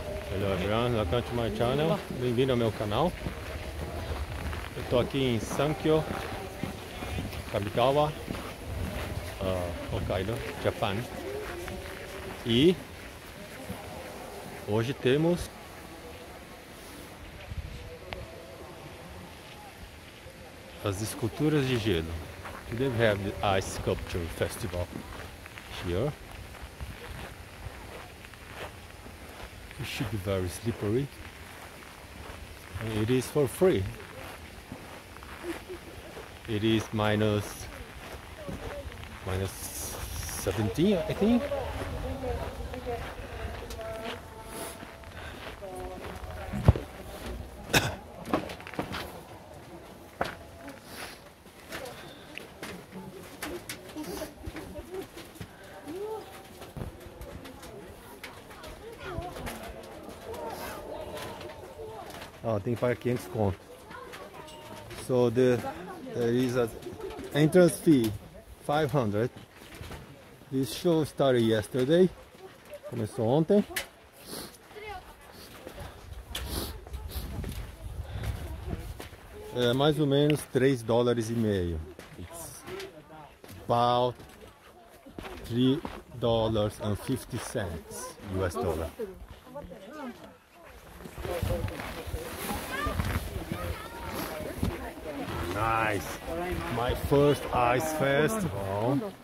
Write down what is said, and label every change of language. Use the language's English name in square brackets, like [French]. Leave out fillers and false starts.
[English] Hello everyone, welcome to my channel. [Portuguese] Bem-vindo ao meu canal. Eu estou aqui em Sankyo, Kamikawa, Hokkaido, Japan. E hoje temos as esculturas de gelo. [English] Today we have the ice sculpture festival here. It should be very slippery. It is for free. It is minus 17, I think. [Portuguese] Oh, tem que pagar 500 conto. [English] So there is a entrance fee, 500. This show started yesterday. [Portuguese] Começou ontem. É mais ou menos 3 dólares e meio. [English] It's about 3 dollars and 50 cents US dollar. Nice! My first ice festival.